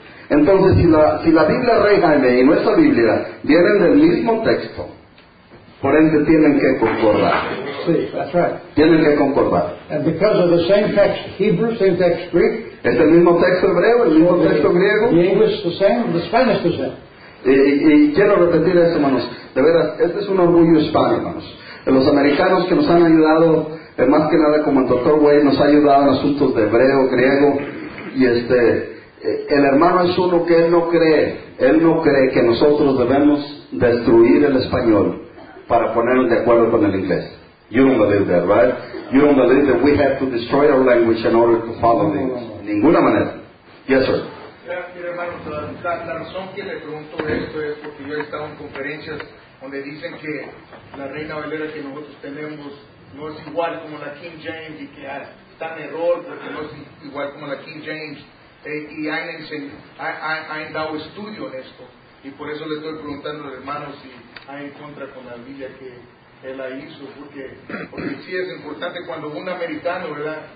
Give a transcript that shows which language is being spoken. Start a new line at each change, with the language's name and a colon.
Spanish: Entonces, si la Biblia reina y nuestra Biblia vienen del mismo texto, por ende tienen que concordar.
English: Sí, that's right.
Spanish: Tienen que concordar.
English: And because of the same text, Hebrew, same text, Greek.
Spanish: Es el mismo texto hebreo, el mismo texto griego.
English: The English the same, the Spanish the same.
Spanish: Y quiero repetir esto, hermanos. De veras, este es un orgullo hispano, hermanos. Los americanos que nos han ayudado, más que nada como el Dr. Wade, nos ha ayudado en asuntos de hebreo, griego, y el hermano es uno que él no cree que nosotros debemos destruir el español para ponernos de acuerdo con el inglés.
English: You don't believe that, right? You don't believe that we have to destroy our language in order to follow the English.
Spanish: De ninguna manera.
English: Yes, sir.
Spanish: Hermano, la razón que le pregunto esto es porque yo he estado en conferencias donde dicen que la Reina Valera que nosotros tenemos no es igual como la King James y que está en error porque no es igual como la King James. Y han dado estudio en esto y por eso le estoy preguntando al hermano si hay en contra con la Biblia que él hizo, porque sí es importante cuando un americano, ¿verdad?